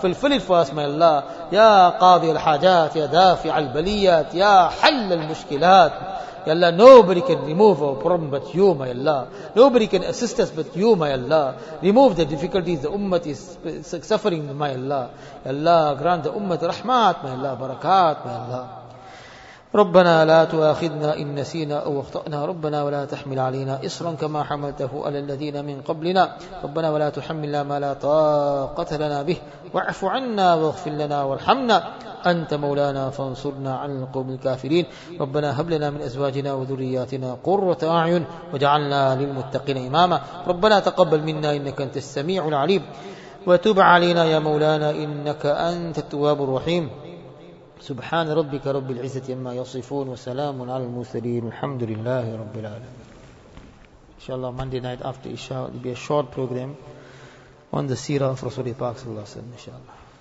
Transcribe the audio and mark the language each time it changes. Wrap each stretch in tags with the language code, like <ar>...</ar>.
<en>Fulfill it for us, my Allah.</en> <ar>Ya qadi al-hajat, ya dafi al-baliyat, ya hal al-mushkilat.</ar> <en>Ya Allah, nobody can remove our problem but you, my Allah. Nobody can assist us but you, my Allah. Remove the difficulties the ummah is suffering, my Allah. Ya Allah, grant the ummah rahmat, my Allah, barakat, my Allah.</en> <ar>ربنا لا تؤاخذنا إن نسينا أو أخطأنا ربنا ولا تحمل علينا إصرا كما حملته على الذين من قبلنا ربنا ولا تحملنا ما لا طاقة لنا به واعف عنا واغفر لنا وارحمنا أنت مولانا فانصرنا على القوم الكافرين ربنا هب لنا من أزواجنا وذرياتنا قرة أعين واجعلنا للمتقين إماما ربنا تقبل منا إنك أنت السميع العليم وتب علينا يا مولانا إنك أنت التواب الرحيم سبحان ربك رب العزة عما يصفون وسلام على المرسلين الحمد لله رب العالمين.</ar> <en>إن شاء الله Monday night after Isha will be a short program on the seerah of Rasulullah صلى الله عليه وسلم إن شاء الله.</en>